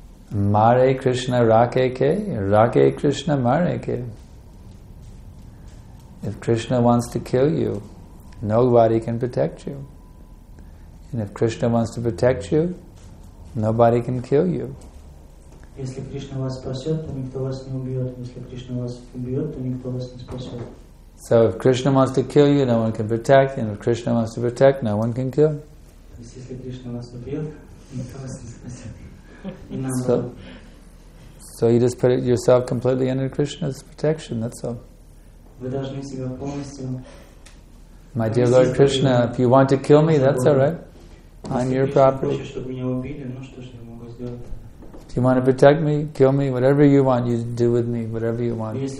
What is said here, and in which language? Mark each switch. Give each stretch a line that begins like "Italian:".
Bangla: Mare Krishna Rake Ke, Rake Krishna Mare Ke.
English: If Krishna wants to kill you, nobody can protect you. And if Krishna wants to protect you, nobody can kill you.
Russian: Если Кришна вас спасет, то никто вас не убьет. Если Кришна вас убьет, то никто вас не спасет.
English: So if Krishna wants to kill you, no one can protect. And if Krishna wants to protect, no one can kill.
Russian: Если Кришна вас убьет, никто вас не спасет.
English: So you just put yourself completely under Krishna's protection. That's all.
Russian: Вы должны себя полностью.
English: My dear Lord Krishna, if you want to kill me, that's all right. I'm your property. If you want to protect me, kill me, whatever you want, you do with me, whatever you want.